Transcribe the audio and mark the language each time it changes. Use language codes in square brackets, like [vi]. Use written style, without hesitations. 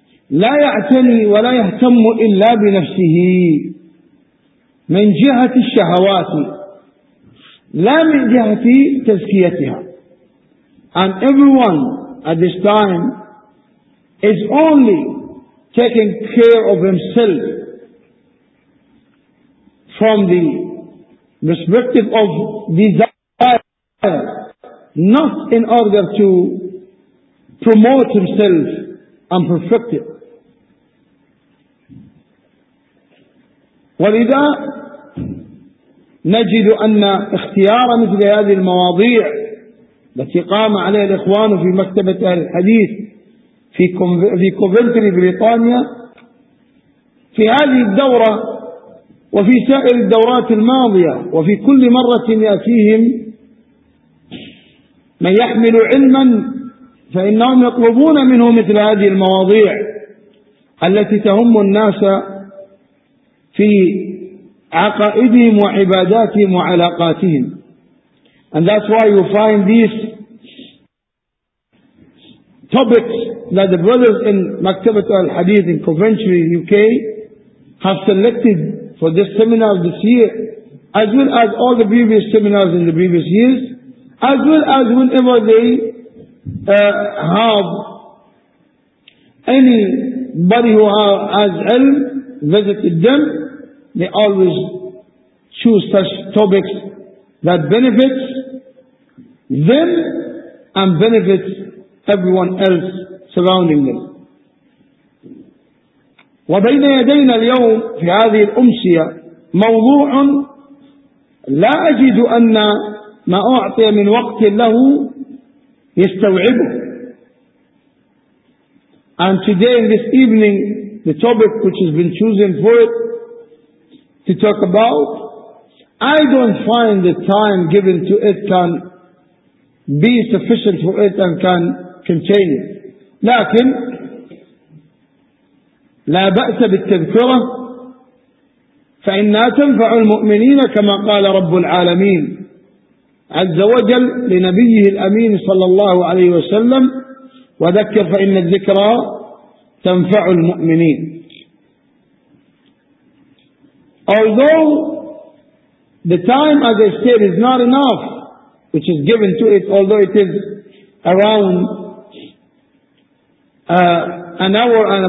[ar] لا يعتني ولا يهتم إلا بنفسه من جهة الشهوات لا من جهة تزكيتها. [en] And everyone at this time is only taking care of himself from the perspective of desire, not in order to promote himself and perfect it. [ar] ولذا نجد أن اختيار مثل هذه المواضيع التي قام عليها الإخوان في مكتبة أهل الحديث في كوفنتري بريطانيا في هذه الدورة وفي سائر الدورات الماضية وفي كل مرة يأتيهم من يحمل علما فإنهم يطلبون منه مثل هذه المواضيع التي تهم الناس في عقائدهم وعباداتهم وعلاقاتهم. [en] And that's why you find these topics that the brothers in Maktabat al-Hadith in Coventry, UK have selected for this seminar this year, as well as all the previous seminars in the previous years, as well as whenever they have anybody who has ilm visited them, they always choose such topics that benefits them and benefits everyone else surrounding them. [ar] وبين يدينا اليوم في هذه الأمسية موضوع لا أجد أن ما أعطي من وقت له يستوعبه. [en] And today in this evening the topic which has been chosen for it to talk about, I don't find the time given to it can be sufficient for it and can contain it. [ar] لكن لا بأس بالتذكرة فإنها تنفع المؤمنين كما قال رب العالمين عز وجل لنبيه الأمين صلى الله عليه وسلم وذكر فإن الذكرى تنفع المؤمنين. [en] Although the time, as I said, is not enough which is given to it, although it is around an hour